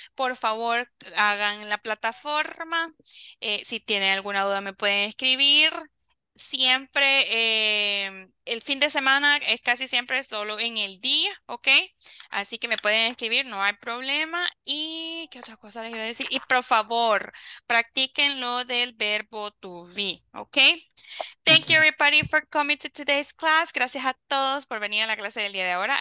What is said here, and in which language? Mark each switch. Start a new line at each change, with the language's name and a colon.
Spanish: Por favor, hagan la plataforma. Si tienen alguna duda, me pueden escribir. Siempre, el fin de semana es casi siempre solo en el día, ¿ok? Así que me pueden escribir, no hay problema. ¿Y qué otra cosa les iba a decir? Y por favor, practiquen lo del verbo to be, ¿ok?
English: Thank you everybody for coming to today's class.
Spanish: Gracias a todos por venir a la clase del día de ahora.